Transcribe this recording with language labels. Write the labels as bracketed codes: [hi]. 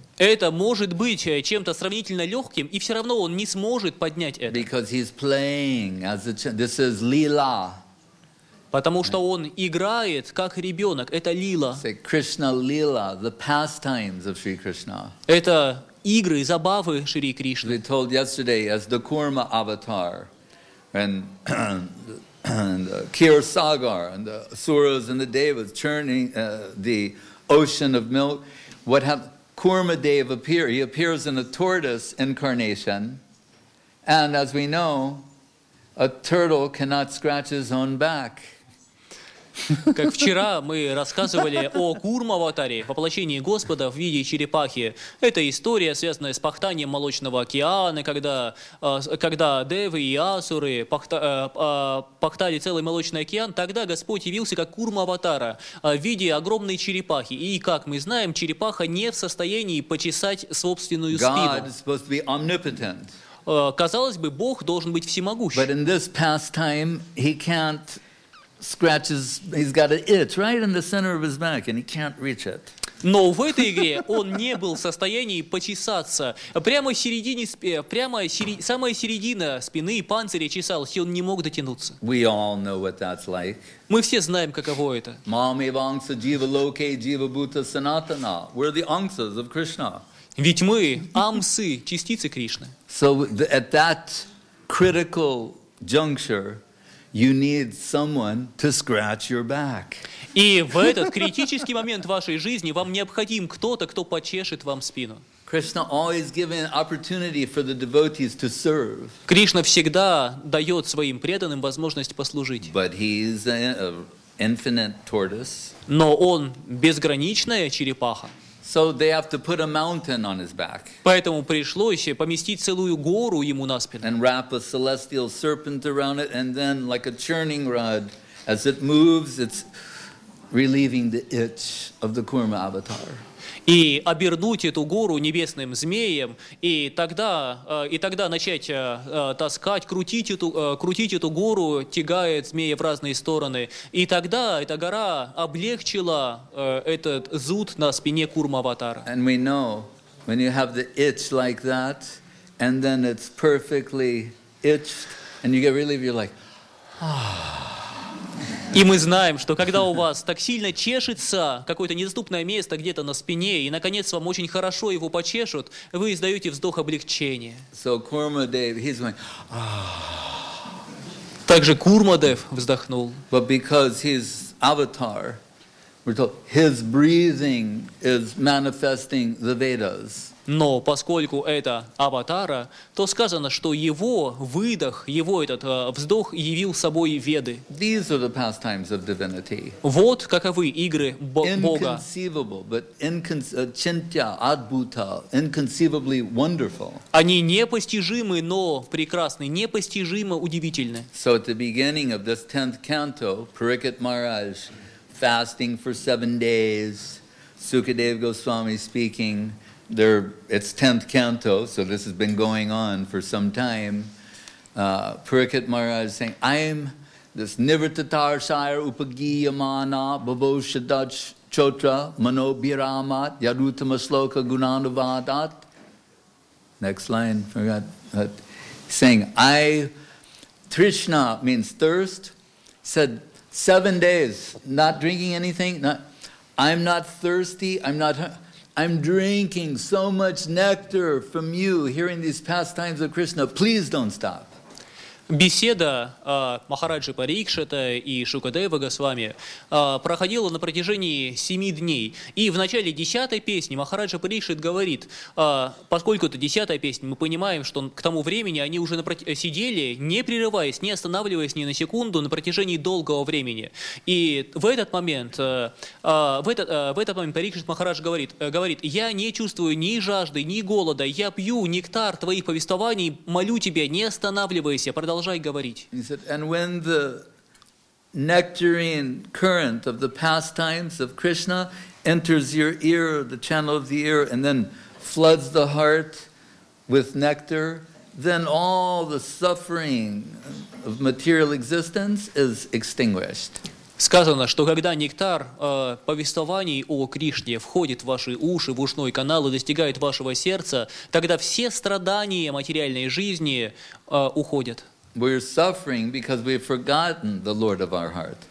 [ru] Это может быть чем-то сравнительно легким, и все равно он не сможет поднять это. [en] Because he's playing as a child. This is Lila. [ru] Потому что он играет как ребенок. Это Лила. [en] Say Krishna Lila, the pastimes of Sri Krishna. [ru] Это игры, забавы Шри Кришны. [en] We told yesterday as the Kurma avatar, when and Kir Sagar and the Asuras and the Devas churning the ocean of milk. What have Kurma Dev appear? He appears in a tortoise incarnation. And as we know, a turtle cannot scratch his own back. [ru] Как вчера мы рассказывали о Курма-аватаре, воплощении Господа в виде черепахи. Это история, связанная с пахтанием молочного океана, когда девы и асуры пахтали целый молочный океан, тогда Господь явился как Курма-аватара в виде огромной черепахи. И, как мы знаем, черепаха не в состоянии почесать собственную спину. Казалось бы, Бог должен быть всемогущим. [en] But in this pastime, he can't scratches, he's got an itch right in the center of his back, and he can't reach it. [ru] Но в этой игре он не был в состоянии почесаться. Прямо в середине, самая середина спины и панциря чесалась, и он не мог дотянуться. [en] We all know what that's like. [ru] Мы все знаем, каково это. [sa] Mami Vangsa Jiva Loke Jiva Bhuta Sanatana. [en] We're the Angsas of Krishna. [ru] Ведь мы амсы, частицы Кришны. [en] So at that critical juncture, you need someone to scratch your back. [ru] И в этот критический момент вашей жизни вам необходим кто-то, кто почешет вам спину. [en] Krishna always giving opportunity for the devotees to serve. [ru] Кришна всегда дает своим преданным возможность послужить. [en] But he's an infinite tortoise. [ru] Но он безграничная черепаха. [en] So they have to put a mountain on his back. [ru] Поэтому пришлось поместить целую гору ему на спину. [en] And wrap a celestial serpent around it, and then, like a churning rod, as it moves, it's relieving the itch of the Kurma avatar. [ru] И обернуть эту гору небесным змеем, и тогда начать таскать, крутить эту гору, тягает змея в разные стороны. И тогда эта гора облегчила этот зуд на спине Курма-аватара. [en] And we know, when you have the itch like that, and then it's perfectly itched, and you get relieved, you're like, [ru] и мы знаем, что когда у вас так сильно чешется какое-то недоступное место где-то на спине, и наконец вам очень хорошо его почешут, вы издаете вздох облегчения. [en] So Kurma Dev, he's going, [ru] Также Kurma Dev вздохнул. [en] But because his avatar, we're told, his breathing is manifesting the Vedas. [ru] Но поскольку это аватара, то сказано, что его выдох, его этот вздох явил собой Веды. [en] These are the pastimes of divinity. [ru] Вот каковы игры Бога. [en] Inconceivable, but [sa] chintya, adbhuta, [en] inconceivably wonderful. [ru] Они непостижимы, но прекрасны, непостижимо удивительны. [en] So at the beginning of this 10th canto, Parikshit Maharaj, fasting for 7 days, Sukadeva Goswami speaking, it's 10th canto, so this has been going on for some time. Parikshit Maharaj is saying, I am this [sa] Nivrittatar Shire Upagiyamana Bhavoshadach Chotra Manobhiramat Yadutama Sloka Gunanuvadat. [en] Next line, forgot. But saying, I, Trishna means thirst, said 7 days, not drinking anything, I'm not thirsty, I'm drinking so much nectar from you, hearing these pastimes of Krishna. Please don't stop. [ru] Беседа Махараджи Парикшита и Шукадева Госвами проходила на протяжении 7 дней. И в начале 10-й песни Махараджа Парикшит говорит, поскольку это 10-я песня, мы понимаем, что к тому времени они уже сидели, не прерываясь, не останавливаясь ни на секунду, на протяжении долгого времени. И в этот момент Парикшит Махарадж говорит, я не чувствую ни жажды, ни голода, я пью нектар твоих повествований, молю тебя, не останавливайся, продолжай. [en] He said, and when the nectarine current of the pastimes of Krishna enters your ear, the channel of the ear, and then floods the heart with nectar, then all the suffering of material existence is extinguished. [ru] Сказано, что когда нектар повествований о Кришне входит в ваши уши, в ушной канал и достигает вашего сердца, тогда все страдания материальной жизни уходят. [en] We're suffering because we've forgotten the Lord of our heart.